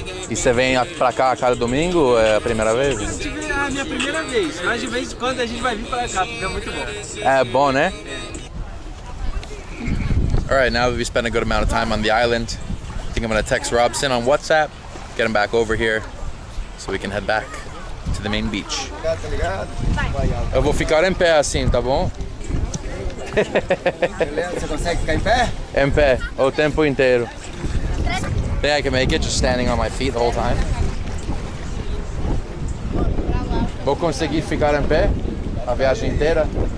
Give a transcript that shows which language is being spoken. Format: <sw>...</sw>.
<pt>E você vem pra cá a cada domingo ou é a primeira vez? É a minha primeira vez, mas de vez em quando a gente vai vir pra cá, porque é muito bom. É bom, né?</pt> <en>Alright, now that we spent a good amount of time on the island, I think I'm gonna text Robson on WhatsApp, get him back over here, so we can head back to the main beach.</en> <pt>Eu vou ficar em pé assim, tá bom? Você consegue ficar em pé? Em pé, o tempo inteiro.</pt> <en>Think I can make it just standing on my feet the whole time.</en> <pt>Vou conseguir ficar em pé a viagem inteira?</pt>